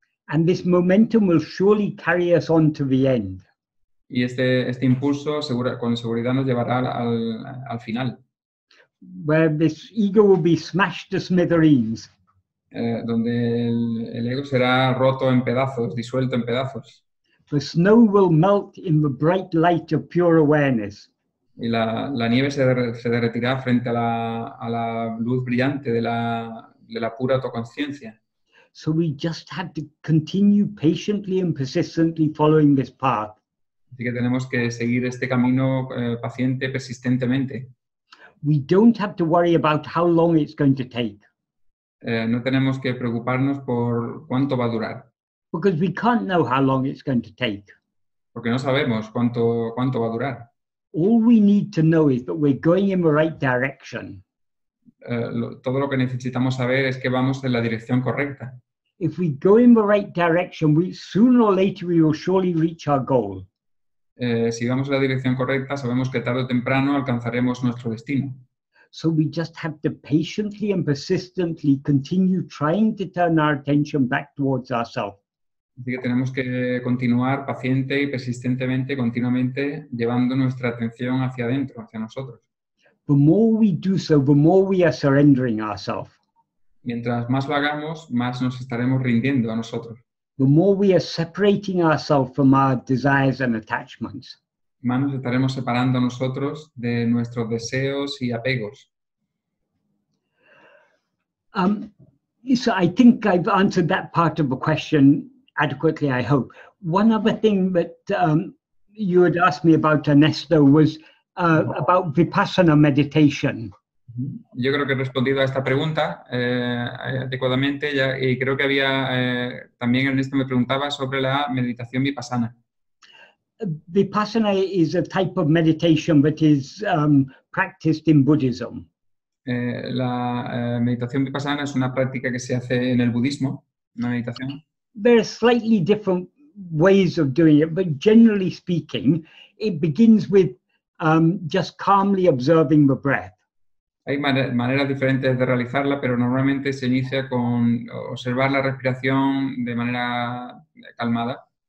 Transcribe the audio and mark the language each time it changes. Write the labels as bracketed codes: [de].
[en] And this momentum will surely carry us on to the end. [es] Y este impulso con seguridad nos llevará al final. [en] Where this ego will be smashed to smithereens. [es] Donde el ego será roto en pedazos, disuelto en pedazos. [en] The snow will melt in the bright light of pure awareness. [es] Y la nieve se derretirá frente a la luz brillante de la pura autoconciencia. [en] So we just have to continue patiently and persistently following this path. [es] Así que tenemos que seguir este camino paciente, persistentemente. [en] We don't have to worry about how long it's going to take. [es] No tenemos que preocuparnos por cuánto va a durar. [en] Because we can't know how long it's going to take. [es] Porque no sabemos cuánto va a durar. [en] All we need to know is that we're going in the right direction. [es] Todo lo que necesitamos saber es que vamos en la dirección correcta. [en] If we go in the right direction, sooner or later we will surely reach our goal. [es] Si vamos en la dirección correcta, sabemos que tarde o temprano alcanzaremos nuestro destino. [en] So we just have to patiently and persistently continue trying to turn our attention back towards ourselves. [es] Así que tenemos que continuar paciente y persistentemente, continuamente, llevando nuestra atención hacia adentro, hacia nosotros. [en] The more we do so, the more we are surrendering ourselves. [es] Mientras más lo hagamos, más nos estaremos rindiendo a nosotros. [en] The more we are separating ourselves from our desires and attachments. [es] Más nos estaremos separando a nosotros de nuestros deseos y apegos. [en] So I think I've answered that part of the question adequately, I hope. One other thing that you had asked me about, Ernesto, was about vipassana meditation. [es] Yo creo que he respondido a esta pregunta adecuadamente ya, y creo que había también Ernesto me preguntaba sobre la meditación vipassana. [en] Vipassana is a type of meditation that is practiced in Buddhism. [es] Meditación vipassana es una práctica que se hace en el budismo, una meditación. [en] There are slightly different ways of doing it, but generally speaking, it begins with just calmly observing the breath. [es] Hay maneras diferentes de realizarla, pero normalmente se inicia con observar la respiración de manera calmada.